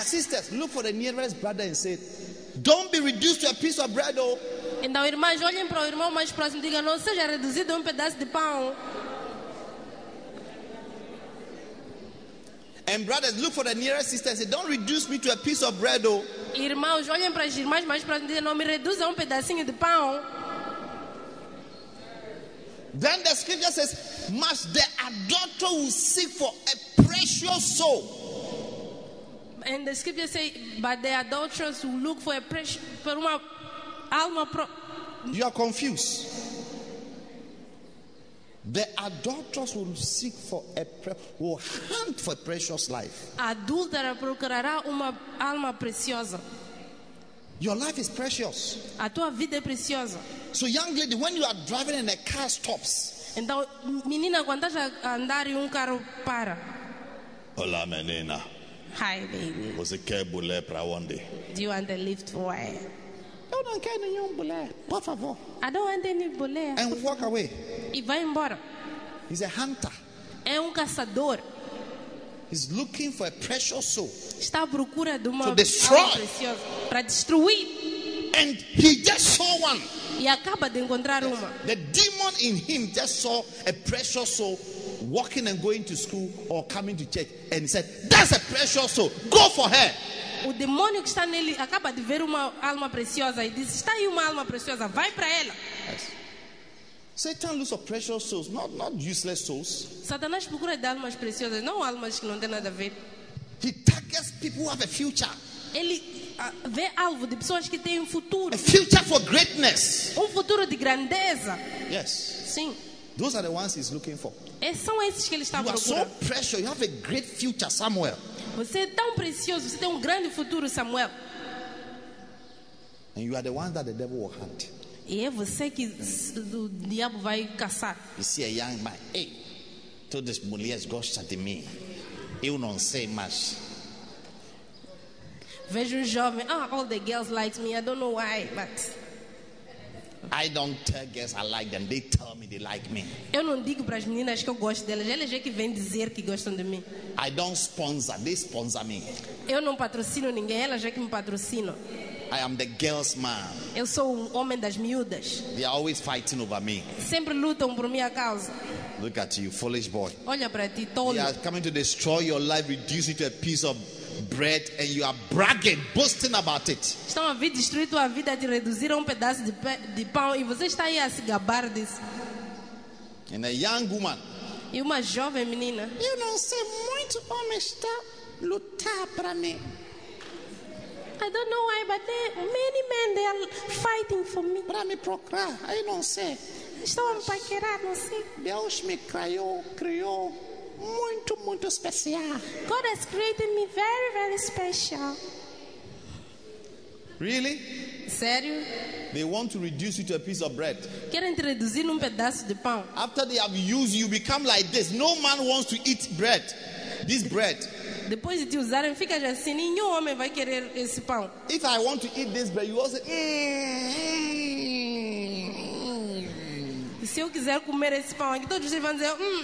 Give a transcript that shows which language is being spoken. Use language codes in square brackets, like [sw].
[en] Sisters, look for the nearest brother and say, don't be reduced to a piece of bread, oh. [pt] Então irmãs, olhem para o irmão mais próximo e digam, não seja reduzido a pedaço de pão. [en] And brothers, look for the nearest sister and say, don't reduce me to a piece of bread, oh. [pt] Irmãos, olhem para as irmãs mais próximas e digam, não me reduza a pedacinho de pão. [en] Then the scripture says, must the adulterer will seek for a precious soul. And the scripture says, but the adulterers will look for a precious, for [pt] uma alma pro. [en] You are confused. The adulterers will seek for a, will hunt for a precious life. [pt] Adulterer procurará uma alma preciosa. [en] Your life is precious. [pt] A tua vida é preciosa. [en] So young lady, when you are driving and a car stops. [pt] Então, menina, quando estás a andar e carro para. Olá, menina. [en] Hi, baby. [pt] Você quer bule para onde? [en] Do you want the lift way? [pt] Eu não quero nenhum bule, por favor. [en] I don't want any bule. And walk away. [pt] E vai embora. [en] He's a hunter. [pt] É caçador. [en] He's looking for a precious soul. [pt] Está à procura de uma alma preciosa para destruir. [en] And he just saw one. [pt] E acaba de encontrar uma. [en] The demon in him just saw a precious soul walking and going to school or coming to church and he said, "That's a precious soul. Go for her." [pt] O demônio que está nele acaba de ver uma alma preciosa e diz, "Está aí uma alma preciosa, vai para ela." [en] Yes. Satan looks for precious souls, not useless souls. [pt] Satanás procura de almas preciosas, não almas que não têm nada a ver. [en] He targets people who have a future. [pt] Ele vê alvo de pessoas que têm futuro. [en] A future for greatness. [pt] Futuro de grandeza. [en] Yes. [pt] Sim. [en] Those are the ones he's looking for. [pt] São esses que ele está procurando. [en] You are so precious. You have a great future, Samuel. [pt] Você é tão precioso, você tem grande futuro, Samuel. [en] And you are the one that the devil will hunt. [pt] E é você que o diabo vai caçar. [en] You see a young man, hey, [pt] todas as mulheres gostam de mim. Eu não sei mais. Vejo jovem, ah, [en] all the girls like me, I don't know why, but I don't tell girls I like them, they tell me they like me. [pt] Eu não digo para as meninas que eu gosto delas, elas é que vêm dizer que gostam de mim. [en] I don't sponsor, they sponsor me. [pt] Eu não patrocino ninguém, elas é que me patrocinam. [en] I am the girl's man. [pt] Eu sou um homem das miúdas. [en] They are always fighting over me. [pt] Sempre lutam por minha causa. [en] Look at you, foolish boy. [pt] Olha para ti, tolo. [en] They are coming to destroy your life, reduce you to a piece of bread, and you are bragging, boasting about it. [pt] Estão a vir destruir tua vida, te reduzir a pedaço de pão, e você está aí a se gabar disso. [en] And a young woman. [pt] E uma jovem menina. Eu não sei muito como está lutar para mim. [en] I don't know why, but there are many men, they are fighting for me. [pt] Para me procurar, aí não sei. Estão a me paquerar, não sei. Deus me criou muito, muito especial. [en] God has created me very, very special. Really? [pt] Sério? [en] They want to reduce you to a piece of bread. [pt] Querem te reduzir num pedaço de pão. [en] After they have used you, become like this. No man wants to eat bread. This bread. [pt] Depois de te usarem, fica assim. Nenhum homem vai querer esse pão. [en] If I want to eat this bread, you also. [pt] Se eu quiser comer esse pão, aqui todos vocês vão dizer.